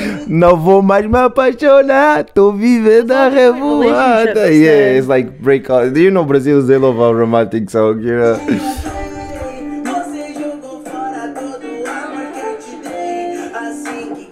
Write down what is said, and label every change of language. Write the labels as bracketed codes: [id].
[pt] Não vou mais me apaixonar, tô vivendo a revoada. [en] Yeah, it's like break out. Do you know Brazil, they love a romantic song, you know? [pt] Você jogou fora todo amor que eu te dei. Assim